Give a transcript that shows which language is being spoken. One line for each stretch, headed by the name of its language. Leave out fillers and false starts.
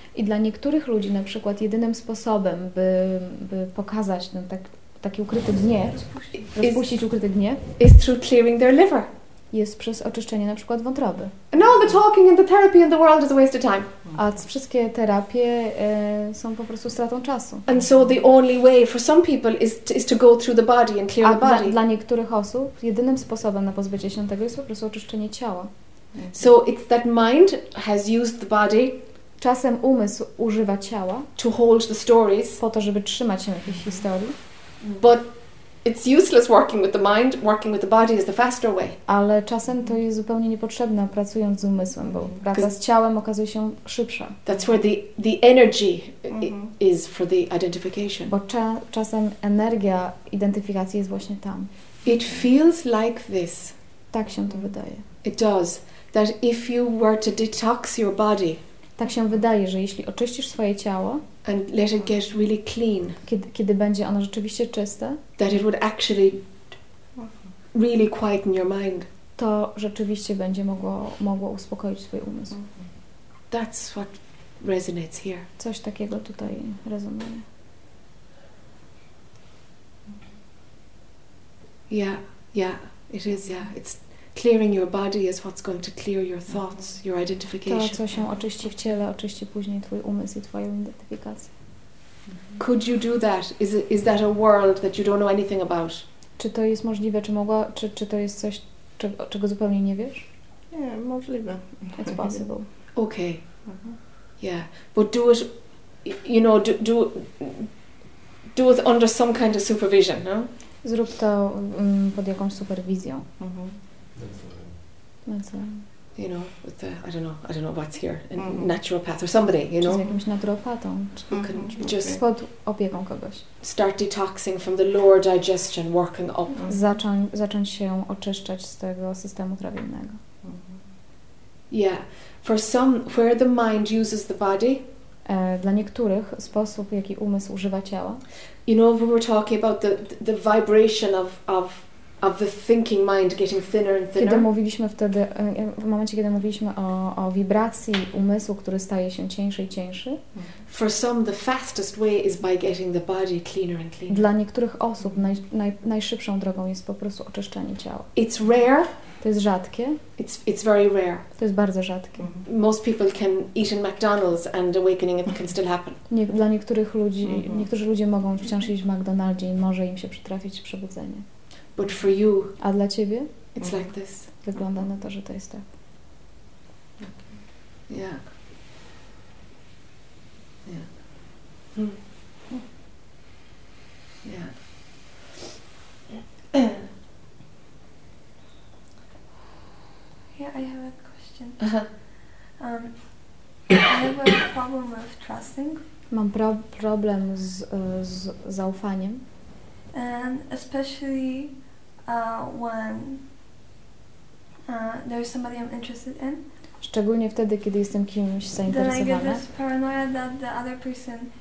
Polish: I dla niektórych ludzi na przykład jedynym sposobem, by pokazać ten taki ukryty gniew, rozpuścić ukryty gniew,
English: is through clearing their liver.
Polish: Jest przez oczyszczenie na przykład wątroby.
English: No, the talking and the therapy and the world is a waste of time.
Polish: A wszystkie terapie są po prostu stratą czasu.
English: And so the only way for some people is to go through the body and clear the body.
Polish: A dla niektórych osób jedynym sposobem na pozbycie się tego jest po prostu oczyszczenie ciała.
English: So it's that mind has used the body.
Polish: Czasem umysł używa ciała
English: to hold the stories,
Polish: po to, żeby trzymać się jakiejś historii.
English: But it's useless working with the mind. Working with the body is the faster way.
Polish: Ale czasem to jest zupełnie niepotrzebne pracując z umysłem, bo praca z ciałem okazuje się szybsza.
English: That's where the energy mm-hmm. is for the identification.
Polish: Bo czasem energia identyfikacji jest właśnie tam.
English: It feels like this.
Polish: Tak się to wydaje.
English: It does. That if you were to detox your body.
Polish: Tak się wydaje, że jeśli oczyścisz swoje ciało,
English: and let it get really clean,
Polish: kiedy będzie ono rzeczywiście czyste,
English: that it would actually really quieten your mind.
Polish: To rzeczywiście będzie mogło uspokoić swój umysł.
English: That's what resonates here.
Polish: Coś takiego tutaj rezonuje.
English: Yeah, it is, yeah. It's clearing your body is what's going to clear your thoughts, your identification.
Polish: To, co się oczyści w ciele, oczyści później twój umysł i twoją identyfikację.
English: Could you do that? Is that a world that you don't know anything about?
Polish: Czy to jest możliwe, czy to jest coś, czego zupełnie nie wiesz? Yeah, możliwe.
English: It's possible. Okay. Yeah, but do it, you know, do it under some kind of supervision, no?
Polish: Zrób to pod jakąś superwizją. Mhm.
English: You know, with the I don't know what's here, a mm-hmm. naturopath or somebody, you know.
Polish: Czy z jakimś naturopatą, mm-hmm.
English: can just
Polish: pod opieką kogoś.
English: Start detoxing from the lower digestion, working up. Mm-hmm.
Polish: Zacząć się oczyszczać z tego systemu trawiennego. Mm-hmm.
English: Yeah, for some, where the mind uses the body.
Polish: Dla niektórych sposób, jaki umysł używa ciała.
English: You know, when we're talking about the vibration of the thinking mind getting thinner and thinner.
Polish: Kiedy mówiliśmy wtedy, w momencie, kiedy mówiliśmy o wibracji umysłu, który staje się cięższy i cięższy.
English: For some, the fastest way is by getting the body cleaner and cleaner.
Polish: Dla niektórych osób najszybszą drogą jest po prostu oczyszczanie ciała.
English: It's rare.
Polish: To jest rzadkie.
English: It's very rare.
Polish: To jest bardzo rzadkie. Mm-hmm.
English: Most people can eat in McDonald's and awakening it can still happen.
Polish: Dla niektórych ludzi, mm-hmm. niektórzy ludzie mogą wciąż jeść w McDonaldzie i może im się przytrafić przebudzenie.
English: But for you,
Polish: a dla ciebie?
English: It's like this.
Polish: Wygląda na to, że to jest tak.
English: Okay. Yeah. Yeah. Mm. Yeah. Yeah, I have a question. I have a problem with trusting.
Polish: Mam problem z zaufaniem.
English: And especially when there's somebody I'm interested in.
Polish: Szczególnie wtedy, kiedy jestem kimś zainteresowana.
English: Then I get this paranoia that the other person